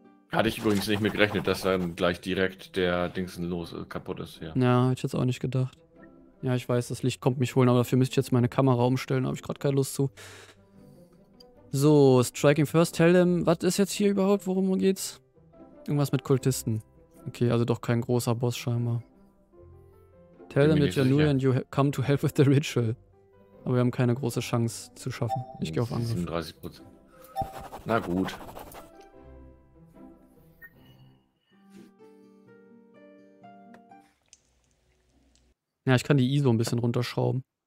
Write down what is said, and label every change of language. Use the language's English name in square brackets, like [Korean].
[German] Hatte ich übrigens nicht mit gerechnet, dass dann gleich direkt der Dings los kaputt ist hier. Ja, hätte ich jetzt auch nicht gedacht. Ja, ich weiß, das Licht kommt mich holen, aber dafür müsste ich jetzt meine Kamera umstellen, habe ich gerade keine Lust zu. So, Striking First, tell them, was ist jetzt hier überhaupt, worum geht's? Irgendwas mit Kultisten. Okay, also doch kein großer Boss scheinbar. [English] Tell them that you're new and you come to help with the ritual. [German] Aber wir haben keine große Chance zu schaffen. Ich gehe auf Angriff. 37%. Na gut. Ja, ich kann die ISO ein bisschen runterschrauben.